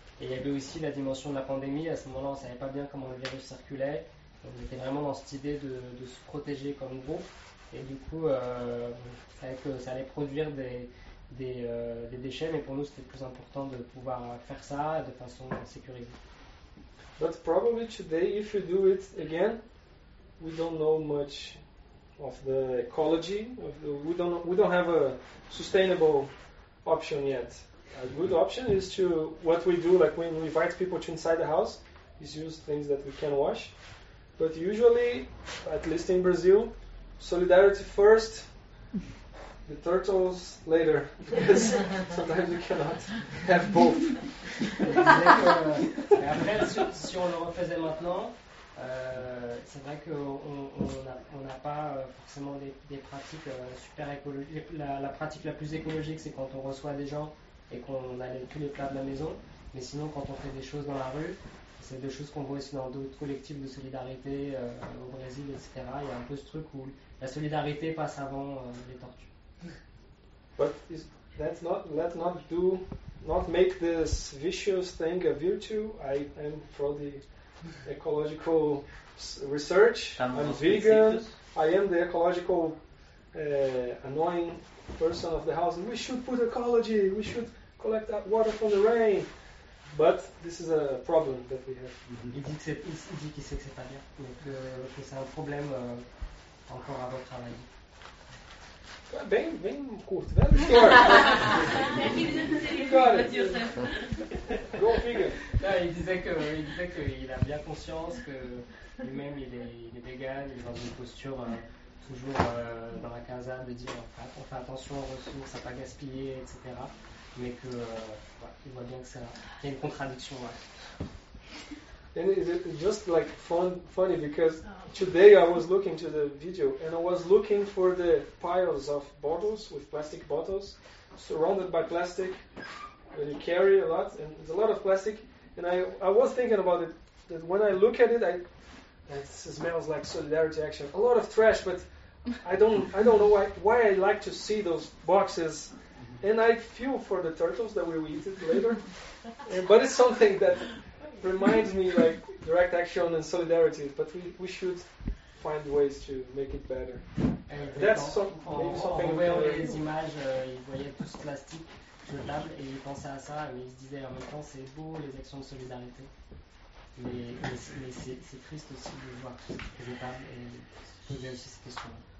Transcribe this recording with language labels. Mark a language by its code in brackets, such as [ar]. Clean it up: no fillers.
[fr] Et il y avait aussi la dimension de la pandémie. À ce moment-là, on ne savait pas bien comment le virus circulait. On était vraiment dans cette idée de se protéger comme groupe. Et du coup, on savait que ça allait produire des déchets. Mais pour nous, c'était plus important de pouvoir faire ça de façon sécurisée. [en] But probably today, if you do it again, we don't know much of the ecology. We don't have a sustainable option yet. A good option is to what we do, like when we invite people to inside the house, is use things that we can wash. But usually, at least in Brazil, solidarity first, the turtles later, because sometimes we cannot have both. [fr] Et après, si on le refaisait maintenant, c'est vrai qu'on n'a pas forcément des pratiques super écologiques. La pratique la plus écologique, c'est quand on reçoit des gens et qu'on a tous les plats de la maison. Mais sinon, quand on fait des choses dans la rue, c'est des choses qu'on voit aussi dans d'autres collectifs de solidarité au Brésil, etc. Il y a un peu ce truc où la solidarité passe avant les tortues. [en] But is, let's not make this vicious thing a virtue. I am for the ecological research. I'm vegan. I am the ecological annoying person of the house. We should put ecology. We should collect that water from the rain. But this is a problem that we have. Mm-hmm. [fr] Il dit qu'il sait que c'est pas bien, mais que c'est un problème encore à votre travail. Bien courte, [en] very short. Go vegan. [fr] Il disait qu'il a bien conscience que lui-même il est vegan, il est dans une posture toujours dans la quinzaine de dire on fait attention aux ressources, à pas gaspiller, etc. Mais que il voit bien que ça, qu'il y a une contradiction. Ouais. [en] And it's just like funny because today I was looking to the video and I was looking for the piles of bottles with plastic bottles surrounded by plastic that you carry a lot, and it's a lot of plastic, and I was thinking about it that when I look at it it smells like solidarity action, a lot of trash, but I don't know why I like to see those boxes. And I feel for the turtles that we will eat it later. But it's something that reminds me, like, direct action and solidarity, but we should find ways to make it better. [fr] En voyant les images, il voyait tout ce plastique sur la table et il pensait à ça, mais il se disait en même temps, c'est beau les actions de solidarité. Mais c'est triste aussi de voir tout ce plastique et de poser aussi cette question-là.